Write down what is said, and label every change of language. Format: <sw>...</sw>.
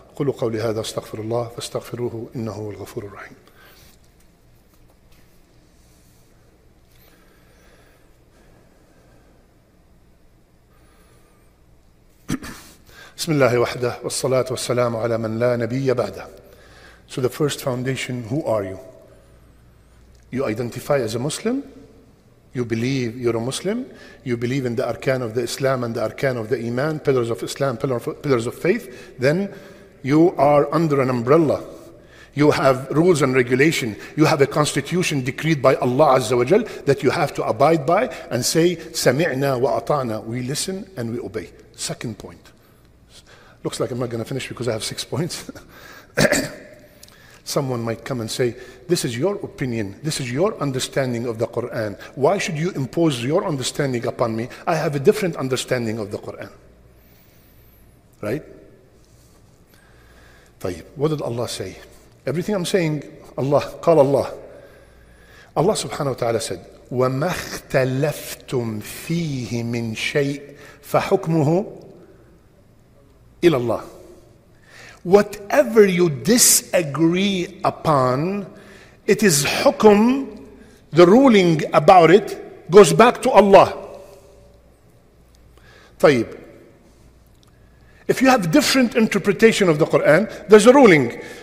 <ar>قلوا قولي هذا استغفر الله فاستغفروه إنه هو الغفور الرحيم. بسم الله وحده والصلاة والسلام على من لا نبي بعده.</ar> <en>So the first foundation, who are you? You identify as a Muslim? You believe you're a Muslim? You believe in the arkan of the Islam and the arkan of the Iman, pillars of Islam, pillars of faith? Then you are under an umbrella. You have rules and regulation. You have a constitution decreed by Allah Azza wa Jal that you have to abide by and say,</en> <ar>سمعنا وأطعنا.</ar> <en>We listen and we obey. Second point. Looks like I'm not going to finish because I have 6 points. Someone might come and say, this is your opinion. This is your understanding of the Quran. Why should you impose your understanding upon me? I have a different understanding of the Quran. Right?</en> <ar>طيب.</ar> <en>What did Allah say? Everything I'm saying, Allah,</en> <ar>قال الله.</ar> <en>Allah subhanahu wa ta'ala said,</en> <ar>وَمَا اخْتَلَفْتُمْ فِيهِ مِنْ شَيْءٍ فَحُكْمُهُ إِلَى اللَّهِ.</ar> <en>Whatever you disagree upon, it is hukum, the ruling about it goes back to Allah.</en> <ar>طيب.</ar> <en>If you have different interpretation of the Quran, there's a ruling.</en>